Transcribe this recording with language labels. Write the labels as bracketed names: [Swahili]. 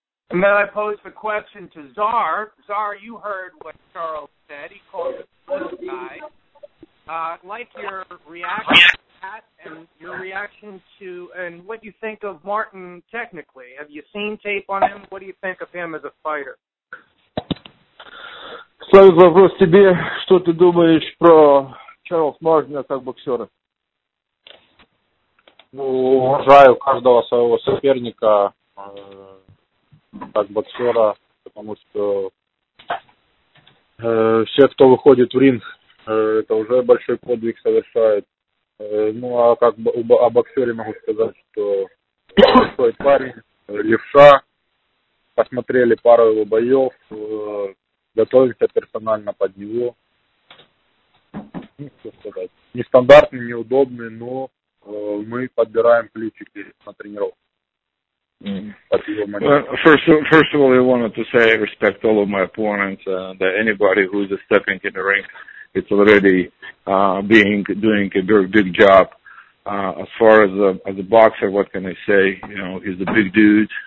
[English] And then I pose the question to Czar. Czar, you heard what Charles said. He called him a little guy. Like your reaction to that and your reaction to and what you think of Martin technically. Have you seen tape on him? What do you think of him as a fighter? [Russian] Ставит вопрос тебе, что ты думаешь про Чарльз Мартина как боксера? Ну, уважаю каждого своего соперника как боксера, потому что все, кто выходит в ринг, это уже большой подвиг совершает. Ну, а как о боксере могу сказать, что большой парень, левша, посмотрели пару его боев, готовимся персонально под него. Ну, что сказать. Нестандартный, неудобный, но мы подбираем плечики на тренировку. Mm. [English] First of all, I wanted to say I respect all of my opponents, that anybody who is stepping in the ring, it's already doing a very big job. As far as a boxer, what can I say? You know, he's a big dude.